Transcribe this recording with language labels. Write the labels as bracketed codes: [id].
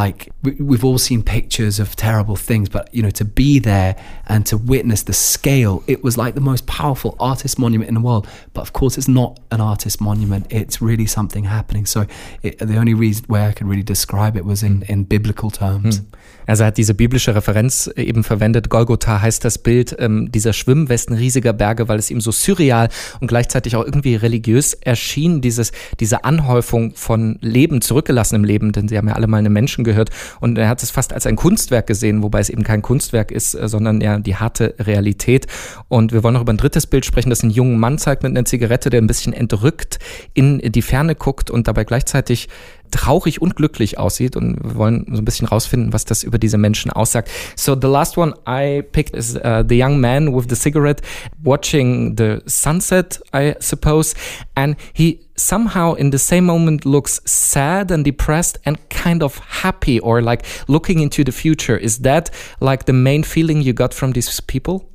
[en] Like we've all seen pictures of terrible things, but you know, to be there and to witness the scale, it was like the most powerful artist monument in the world. But of course it's not an artist monument, it's really something happening. So the only reason way I could really describe it was in biblical terms. [de] Also er hat diese biblische Referenz eben verwendet. Golgotha heißt das Bild dieser Schwimmwesten riesiger Berge, weil es ihm so surreal und gleichzeitig auch irgendwie religiös erschien, diese Anhäufung von Leben, zurückgelassenem Leben, denn sie haben ja alle mal einem Menschen gehört. Und er hat es fast als ein Kunstwerk gesehen, wobei es eben kein Kunstwerk ist, sondern ja die harte Realität. Und wir wollen noch über ein drittes Bild sprechen, das einen jungen Mann zeigt mit einer Zigarette, der ein bisschen entrückt in die Ferne guckt und dabei gleichzeitig traurig und glücklich aussieht, und wir wollen so ein bisschen rausfinden, was das über diese Menschen aussagt. [en] So the last one I picked is the young man with the cigarette watching the sunset, I suppose, and he somehow in the same moment looks sad and depressed and kind of happy, or like looking into the future. Is that like the main feeling you got from these people?